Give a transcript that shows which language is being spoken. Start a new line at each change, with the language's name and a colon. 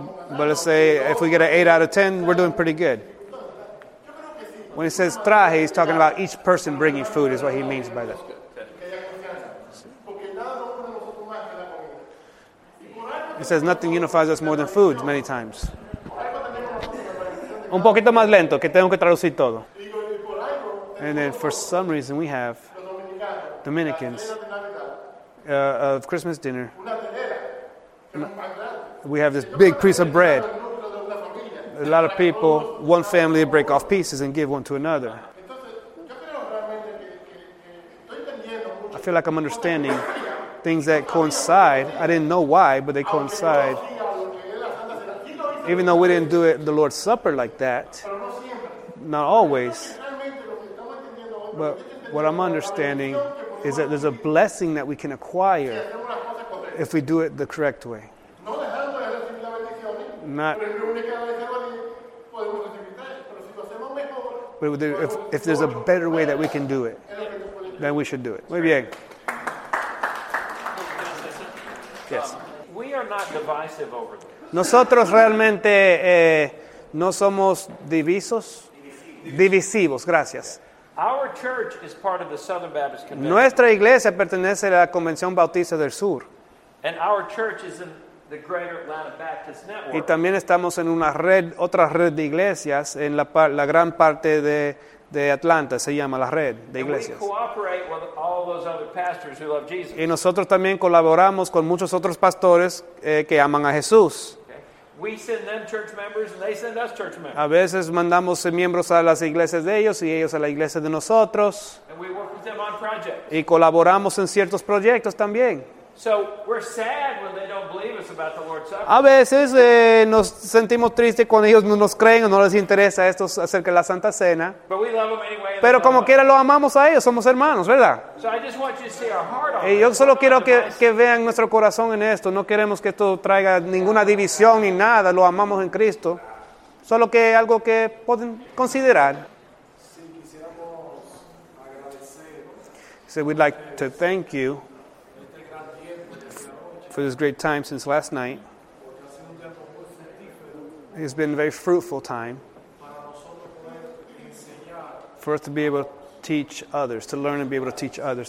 English: But let's say if we get an 8 out of 10, we're doing pretty good. When he says traje, he's talking about each person bringing food is what he means by that. He says nothing unifies us more than food many times.
Spanish: Un poquito más lento, que tengo que traducir todo.
English: And then for some reason we have Dominicans of Christmas dinner. We have this big piece of bread. A lot of people, one family break off pieces and give one to another. I feel like I'm understanding things that coincide. I didn't know why, but they coincide. Even though we didn't do it the Lord's Supper like that, not always. But what I'm understanding is that there's a blessing that we can acquire if we do it the correct way. Not... But if there's a better way that we can do it, then we should do it. Muy bien. Yes. We are not divisive over this.
Spanish: Nosotros realmente no somos divisos. Divisivos, gracias.
English: Our church is part of the Southern Baptist Convention.
Spanish: Nuestra iglesia pertenece a la Convención Bautista del Sur.
English: And our church is in the Greater Atlanta Baptist Network.
Spanish: Y también estamos en una red, otra red de iglesias en la gran parte de de Atlanta, se llama la red de iglesias.
English: And we cooperate with all those other pastors who love Jesus.
Spanish: Y nosotros también colaboramos con muchos otros pastores que aman a Jesús.
English: We send them church members and they send us church members.
Spanish: A veces mandamos miembros a las iglesias de ellos y ellos a la iglesia de nosotros.
English: And we work with them on projects.
Spanish: Y colaboramos en ciertos proyectos también.
English: So we're sad when they don't believe us about the Lord's Supper.
Spanish: A veces nos sentimos tristes cuando ellos no nos creen o no les interesa esto acerca de la Santa Cena.
English: But we love them anyway.
Spanish: Pero como quiera lo amamos a ellos, somos hermanos, ¿verdad?
English: So I just want you to see our heart on
Spanish: y yo solo quiero que vean nuestro corazón en esto. No queremos que esto traiga ninguna división ni nada. Lo amamos en Cristo. Solo que algo que pueden considerar.
English: So we'd like to thank you for this great time since last night. It's been a very fruitful time for us to be able to teach others, to learn and be able to teach others.